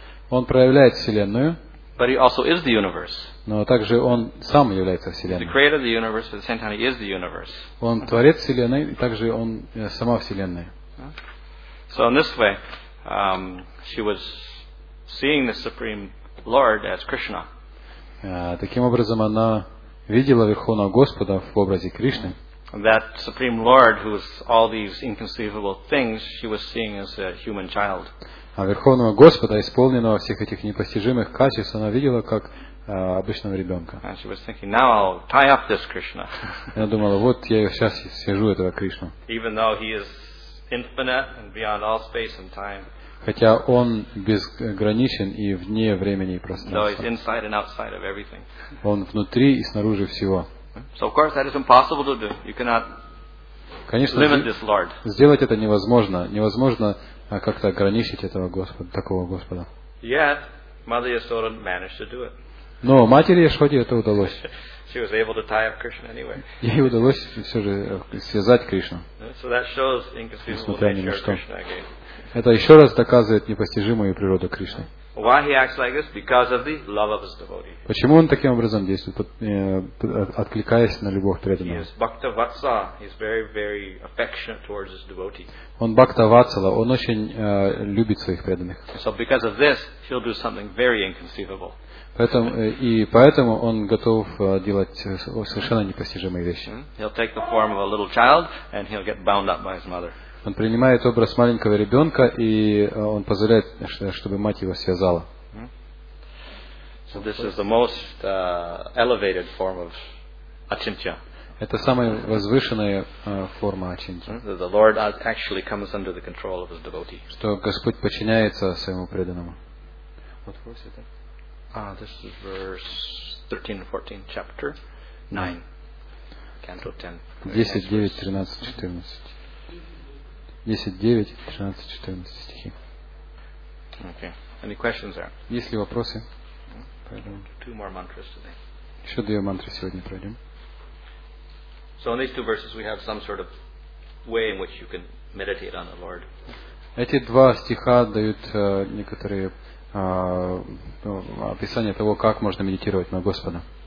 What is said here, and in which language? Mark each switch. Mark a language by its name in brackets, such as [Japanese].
[Russian] Он проявляет вселенную. [English] But he also is the universe. [Russian] Но также он сам является вселенной. [English] He's the creator of the universe, but at the same time he is the universe. [Russian] Он творец вселенной, и также он сама вселенная. [English] So in this way, she was seeing the Supreme Lord as Krishna. [Russian] Таким образом она видела Верховного Господа в образе Кришны. [English] That Supreme Lord, who was all these inconceivable things, she was seeing as a human child. [Russian] А Верховного Господа, исполненного всех этих непостижимых качеств, она видела как обычного ребенка. [English] And she was thinking, now I'll tie up this Krishna. [Russian] Она думала, вот я сейчас свяжу этого Кришну. [English] Even though he is infinite and beyond all space and time. [Russian] Хотя он безграничен и вне времени и пространства. [English] Though he's inside and outside of everything. [Russian] Он внутри и снаружи всего. [English] So of course that is impossible to do. You cannot [Russian] Конечно, [English] limit this Lord. [Russian] Сделать это невозможно. Невозможно как-то ограничить этого Господа, такого Господа. [English] Yet Mother Yasoda managed to do it. [Russian] Но матери Яшоде это удалось. [English] She was able to tie up Krishna anyway. [Russian] Ей удалось все же связать Кришну. [English] So that shows inconceivable nature of Krishna again. [Russian] Это еще раз доказывает непостижимую природу Кришны. [English] Why he acts like this? Because of the love of his devotee. [Russian] Почему он таким образом действует, откликаясь на любовь преданного? [English] He is Bhakta Vatsa. He is very, very affectionate towards his devotee. [Russian] Он Бхакта Ватсала. Он очень любит своих преданных. [English] So because of this, he'll do something very inconceivable. [Russian] Поэтому он готов делать совершенно непостижимые вещи. [English] He'll take the form of a little child and he'll get bound up by his mother. [Russian] Он принимает образ маленького ребенка и он позволяет, чтобы мать его связала. [English] So this is the most elevated form of achintya. [Russian] Это самая возвышенная форма ачинтья. [English] The Lord actually comes under the control of his devotee. [Russian] Что Господь подчиняется своему преданному. [English] What verse is it? This is verse 13-14, chapter 9, canto 10. [Russian] 10:9-13:14. 10:9-13:14 стихи. [English] Okay. Any questions there? [Russian] Есть ли вопросы? [English] Two more mantras today. [Russian] Еще две мантры сегодня пройдем. [English] So in these two verses we have some sort of way in which you can meditate on the Lord. [Russian] Эти два стиха дают некоторые описание того, как можно медитировать на Господа.